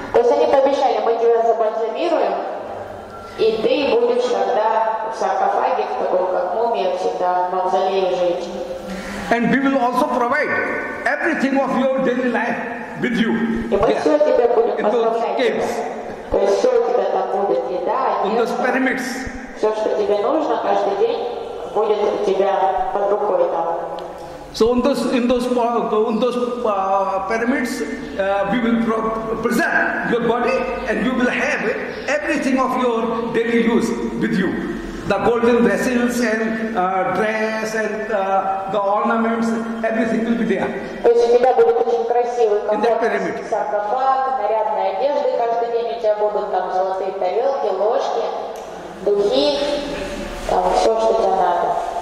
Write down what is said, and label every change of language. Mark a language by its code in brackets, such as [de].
[ru] То есть они пообещали, мы тебя забальзамируем, и ты будешь тогда в саркофаге, в таком как мумия, всегда в мавзолее жить. [en] And we will also provide everything of your daily life with you. [ru] И мы все тебе будем поставлять. То есть все у тебя там будет, еда, одежда. [en] Those pyramids. [ru] Все, что тебе нужно каждый день, будет у тебя под рукой там. [en] So in those pyramids, we will preserve your body and you will have everything of your daily use with you. The golden vessels and dress and the ornaments, everything will be there. [ru] То есть у тебя будет очень красивый комод, саркофаг, нарядные одежды, каждый день у тебя будут там золотые тарелки, ложки, духи, там все, что тебе надо.